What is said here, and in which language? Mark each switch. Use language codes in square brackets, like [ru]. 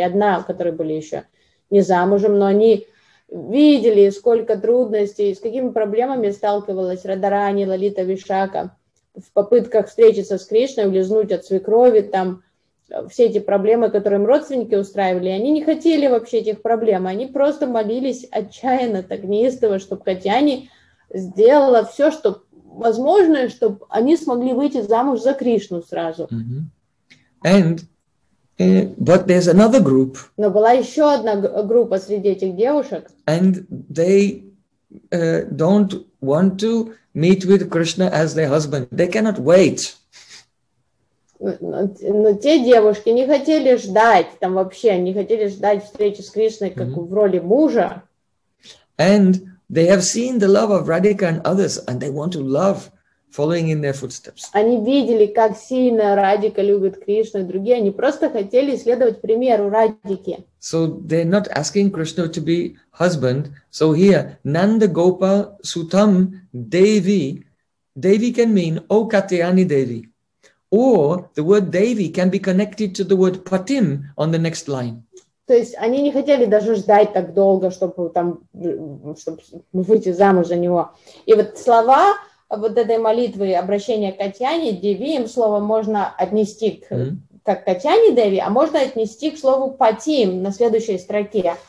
[ru] Одна, которые были еще не замужем, но они видели, сколько трудностей, с какими проблемами сталкивалась Радарани, Лалита, Вишака в попытках встретиться с Кришной, улизнуть от свекрови, там все эти проблемы, которые им родственники устраивали, они не хотели вообще этих проблем, они просто молились отчаянно, так неистово, чтобы Катьяне сделала все, что возможно, чтобы они смогли выйти замуж за Кришну сразу. [en] And, but there's another group. [ru] Но была еще одна группа среди этих девушек. [en] And they don't want to meet with Krishna as their husband. They cannot wait. [ru] Но те девушки не хотели ждать там вообще, не хотели ждать встречи с Кришной как в роли мужа. [en] And they have seen the love of Radhika and others, and they want to love following in their footsteps. [ru] Они видели, как сильно Радика любит Кришну и другие. Они просто хотели следовать примеру Радики. [en] So they're not asking Krishna to be husband. So here, Nanda Gopal Sutam Devi. Devi can mean O Katayani Devi. Or the word Devi can be connected to the word Patim on the next line. [ru] То есть они не хотели даже ждать так долго, чтобы там, чтобы выйти замуж за него. И вот слова вот этой молитвы, обращения к Катьяне, Деви, им слово можно отнести к, как Катьяне Деви, а можно отнести к слову Патим на следующей строке.